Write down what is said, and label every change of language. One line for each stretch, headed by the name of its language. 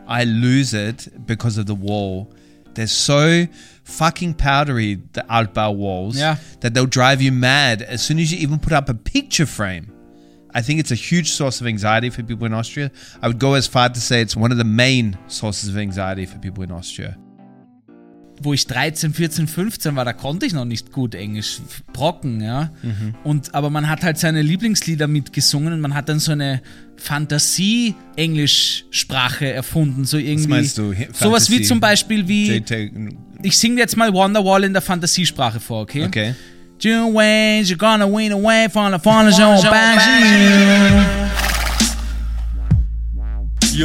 English: I lose it because of the wall. They're so fucking powdery, the Altbau walls, yeah, that they'll drive you mad as soon as you even put up a picture frame. I think it's a huge source of anxiety for people in Austria. I would go as far to say it's one of the main sources of anxiety for people in Austria.
German: Wo ich 13, 14, 15 war, da konnte ich noch nicht gut Englisch, brocken, ja. Mhm. Und, aber man hat halt seine Lieblingslieder mitgesungen und man hat dann so eine Fantasie-Englischsprache erfunden. So irgendwie. Was meinst du? Sowas wie zum Beispiel wie, ich singe jetzt mal Wonderwall in der Fantasiesprache vor, okay? Okay.
English: June waves, you're gonna win away from the fallen zone back to you.